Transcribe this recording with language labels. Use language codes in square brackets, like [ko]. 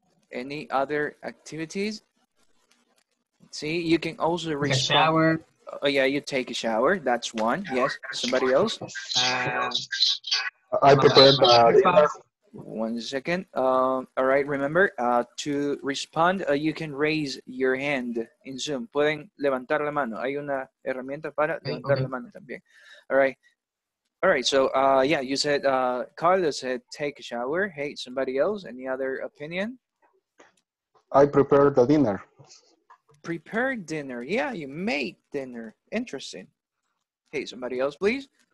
[en] Any other activities? See, you can also take a shower. Oh yeah, you take a shower. That's one. Yes. Somebody else? I prepared that. 1 second. All right. Remember, to respond, you can raise your hand in Zoom. [es] Pueden levantar la mano. Hay una herramienta para levantar la mano también. [en] All right. All right, so yeah, you said, Carlos said, take a shower. Hey, somebody else, any other opinion? I prepare the dinner. Prepare dinner, yeah, you make dinner. Interesting. Hey, somebody else, please.